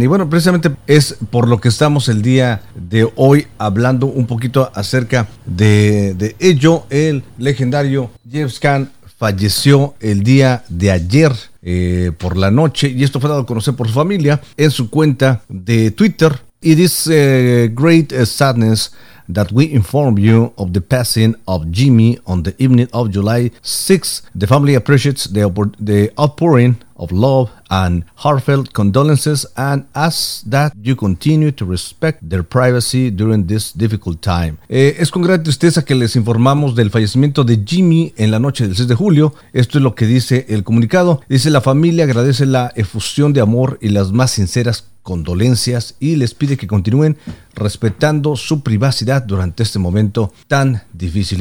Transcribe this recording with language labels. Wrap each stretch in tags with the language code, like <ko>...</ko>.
<es>Y bueno, precisamente es por lo que estamos el día de hoy hablando un poquito acerca de ello. El legendario James Caan falleció el día de ayer por la noche, y esto fue dado a conocer por su familia en su cuenta de Twitter.</es> <en>It is a great sadness that we inform you of the passing of Jimmy on the evening of July 6th. The family appreciates the outpouring of love and heartfelt condolences and asks that you continue to respect their privacy during this difficult time.</en> <es>Es con gran tristeza que les informamos del fallecimiento de Jimmy en la noche del 6 de julio. Esto es lo que dice el comunicado. Dice: la familia agradece la efusión de amor y las más sinceras condolencias y les pide que continúen respetando su privacidad durante este momento tan difícil.</es>